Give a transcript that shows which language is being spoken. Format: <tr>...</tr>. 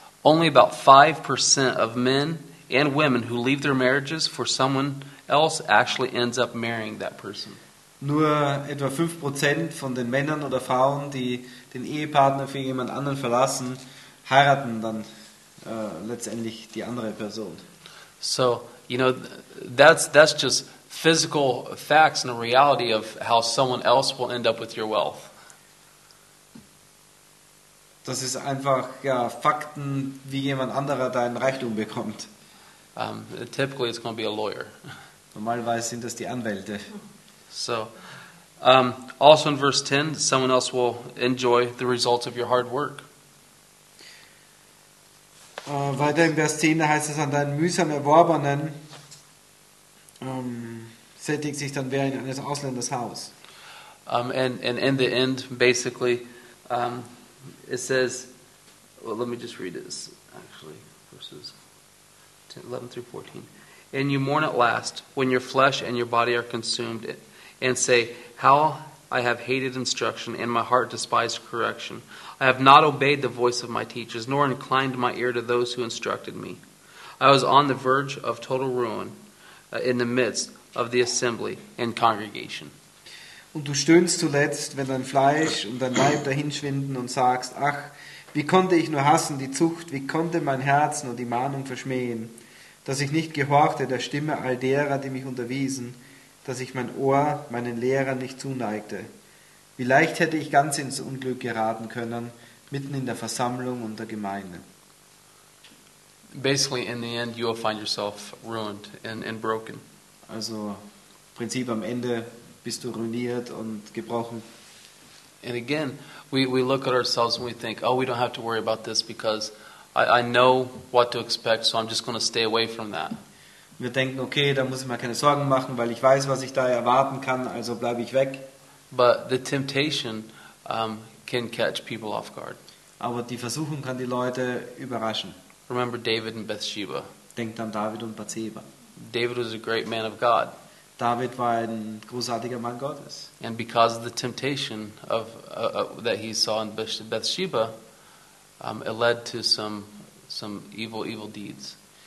<en>Only about 5% of men and women who leave their marriages for someone else actually ends up marrying that person.</en> <de>Nur etwa 5% von den Männern oder Frauen, die den Ehepartner für jemand anderen verlassen, heiraten dann letztendlich die andere Person.</de> <en>So, you know, that's just physical facts and the reality of how someone else will end up with your wealth.</en> <de>Das ist einfach ja, Fakten, wie jemand anderer deinen Reichtum bekommt.</de> <en>Typically it's going to be a lawyer.</en> <de>Normalerweise sind das die Anwälte.</de> <en>So, also in verse 10, someone else will enjoy the results of your hard work.</en> <de>Weiter in Vers 10 heißt es, an deinen mühsam Erworbenen sättigt sich dann wer in eines Ausländers Haus.</de> <en>And in the end, basically, it says, well, let me just read this, actually, verses 10, 11 through 14. And you mourn at last, when your flesh and your body are consumed, and say, how I have hated instruction, and my heart despised correction. I have not obeyed the voice of my teachers, nor inclined my ear to those who instructed me. I was on the verge of total ruin in the midst of the assembly and congregation.</en> <de>Und du stöhnst zuletzt, wenn dein Fleisch und dein Leib dahinschwinden und sagst, ach, wie konnte ich nur hassen die Zucht, wie konnte mein Herz nur die Mahnung verschmähen, dass ich nicht gehorchte der Stimme all derer, die mich unterwiesen, dass ich mein Ohr meinen Lehrern nicht zuneigte. Wie leicht hätte ich ganz ins Unglück geraten können, mitten in der Versammlung und der Gemeinde.</de> <en>Basically, in the end, you will find yourself ruined and broken.</en> <de>Also, im Prinzip am Ende bist du ruiniert und gebrochen.</de> <en>And again, we look at ourselves and we think, oh, we don't have to worry about this because I know what to expect, so I'm just going to stay away from that.</en> <de>Wir denken, okay, da muss ich mir keine Sorgen machen, weil ich weiß, was ich da erwarten kann, also bleibe ich weg.</de> <en>But the temptation can catch people off guard.</en> <de>Aber die Versuchung kann die Leute überraschen.</de> <en>Remember David and Bathsheba.</en> <de>Denkt an David und Bathsheba.</de> <en>David was a great man of God.</en> <de>David war ein großartiger Mann Gottes.</de> <en>And because of the temptation of that he saw in Bathsheba, it led to some evil deeds.</en>